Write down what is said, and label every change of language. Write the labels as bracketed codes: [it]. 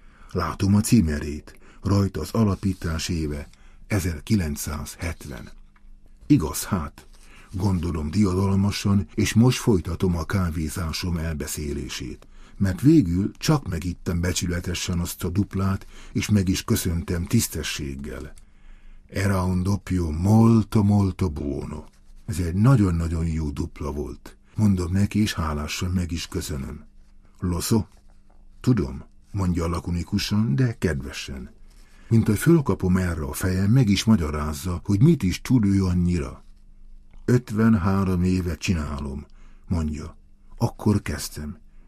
[hu] Látom a címerét, rajta az alapítás éve, 1970. Igaz hát, gondolom diadalmasan, és most folytatom a kávézásom elbeszélését, mert végül csak megittem becsületesen azt a duplát, és meg is köszöntem tisztességgel. [it] Era un doppio molto molto buono. [hu] Ez egy nagyon-nagyon jó dupla volt. Mondom neki, és hálásan meg is köszönöm. [it] Lo so? [hu] Tudom, mondja lakonikusan, de kedvesen. Mint hogy fölkapom erre a fejem, meg is magyarázza, hogy mit is tud ő annyira. 53 éve csinálom, mondja. Akkor kezdtem.